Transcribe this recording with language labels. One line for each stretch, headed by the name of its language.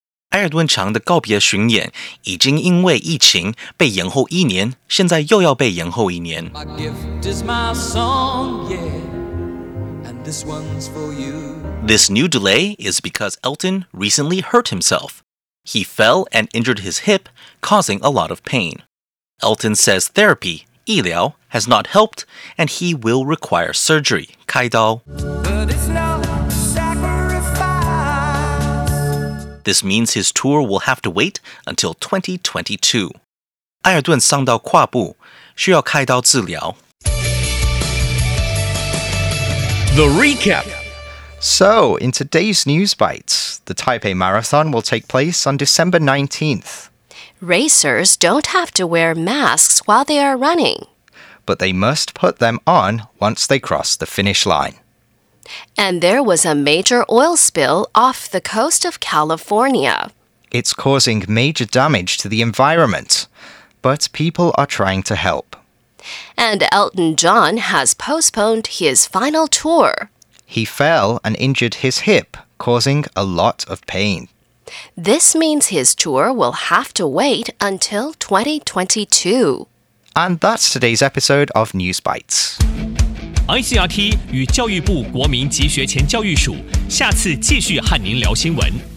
Chinese: 埃尔顿强的告别巡演已经因为疫情被延后一年，现在又要被延后一年。
English: My gift is my song, yeah, and this one's for you. This new delay is because Elton recently hurt himself. He fell and injured his hip, causing a lot of pain. Elton says therapy,
Chinese: 医疗,
English: has not helped, and he will require surgery,
Chinese: 开刀.
English: But it's no sacrifice. This means his tour will have to wait until 2022.
Chinese: 埃尔顿伤到胯部，需要开刀治疗.
English: The recap. So, in today's News Bites, the Taipei Marathon will take place on December 19th. Racers don't have to wear masks while they are running. But they must put them on once they cross the finish line. And there was a major oil spill off the coast of California. It's causing major damage to the environment. But people are trying to help. And Elton John has postponed his final tour. He fell and injured his hip, causing a lot of pain. This means his tour will have to wait until 2022. And that's today's episode of News Bites.
Chinese: ICRT 与教育部国民及学前教育署下次继续和您聊新闻。